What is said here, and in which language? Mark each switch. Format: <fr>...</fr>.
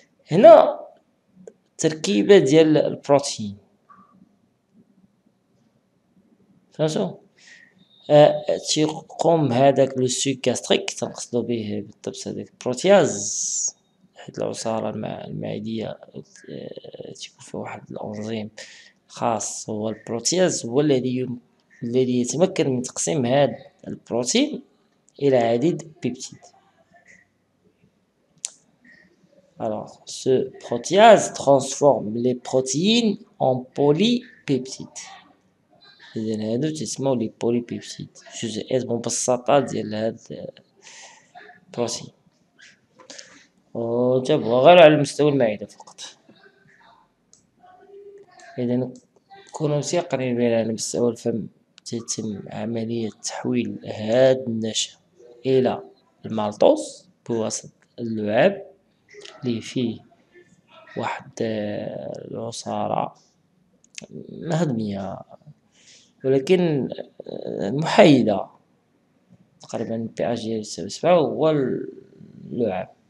<ar>هنا تركيبة ديال البروتين، فهمتوا؟ تقوم هذاك السوك كاستريك، تنقصدو به بالضبط هذاك البروتياز، حيت العصارة المعدية تكون في واحد الأنزيم خاص هو البروتياز، هو الذي يتمكن من تقسيم هاد البروتين الى عديد بيبتيد.</ar> <fr>alors ce protease transforme les protéines en polypeptides.</fr> <ar>اذا هادو تسمو لي بوليبيبتيد، جزيئات مبسطة ديال هاد البروتين، و تبغى غير على مستوى المعدة فقط. اذا كونو قريبين على مستوى الفم، تتم عملية تحويل هاد النشا إلى المالتوس بواسطة اللعاب اللي فيه واحد العصارة مهضمية ولكن محايدة، تقريبا بي اش ديال 7، هو اللعاب</ar>